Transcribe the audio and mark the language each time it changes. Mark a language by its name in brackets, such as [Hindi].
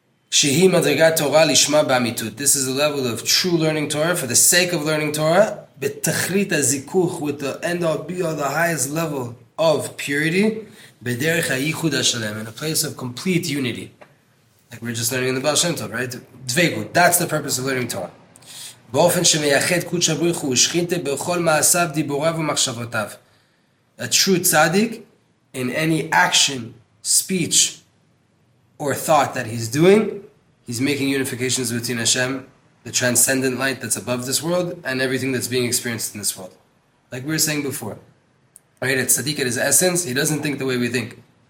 [Hebrew] Shehi madrigat Torah lishma b'amitut. [English] This is the level of true learning Torah for the sake of learning Torah. [Hebrew] B'techrit ha-zikuch, [English] with the end all, be all, the highest level of purity. [Hebrew] B'derech ha-yichud ha-shalem, [English] in a place of complete unity. Like we're just learning in the Baal Shem Tov, right? Dveikut, that's the purpose of learning Torah. [Hebrew] באופן שמייחד קודש הבריח הוא שכינתה בכל מעשיו, דיבוריו ומחשבותיו. [English] A true tzaddik, in any action, speech, or thought that he's doing, he's making unifications between Hashem, the transcendent light that's above this world, and everything that's being experienced in this world. Like we were saying before, right? A tzaddik at his essence, he doesn't think the way we think.